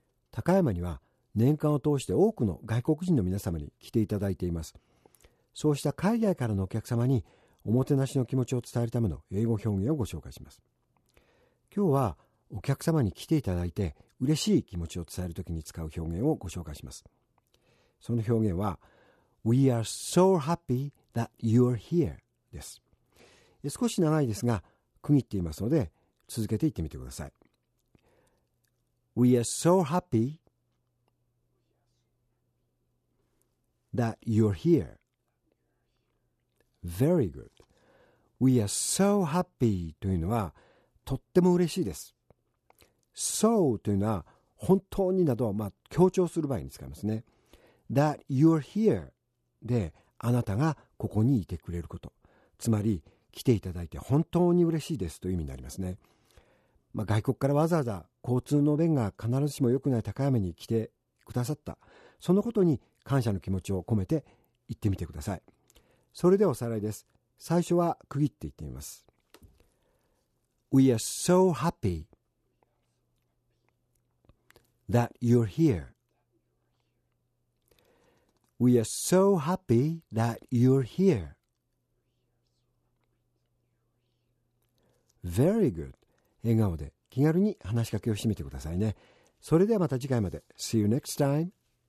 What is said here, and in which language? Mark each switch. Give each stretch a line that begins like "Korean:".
Japanese: 高山には年間を通して多くの外国人の皆様に来ていただいています。そうした海外からのお客様におもてなしの気持ちを伝えるための英語表現をご紹介します。今日はお客様に来ていただいて嬉しい気持ちを伝えるときに使う表現をご紹介します。その表現は
English: We are so happy that you are here
Japanese: です。少し長いですが区切っていますので続けて言ってみてください。
English: We are so happy that you're here. Very good. We are so happy
Japanese: というのはとっても嬉しいです。 So というのは本当になど、まあ、強調する場合に使いますね。
English: That you're here
Japanese: であなたがここにいてくれること、つまり来ていただいて本当に嬉しいですという意味になりますね。まあ、外国からわざわざ交通の便が必ずしも良くない高山に来てくださった、そのことに感謝の気持ちを込めて言ってみてください。それではおさらいです。最初は区切って言ってみます。
English: We are so happy that you're here. We are so happy that you're hereVery good.
Japanese: 笑顔で気軽に話しかけをしてみてくださいね。それではまた次回まで。
English: See you next time.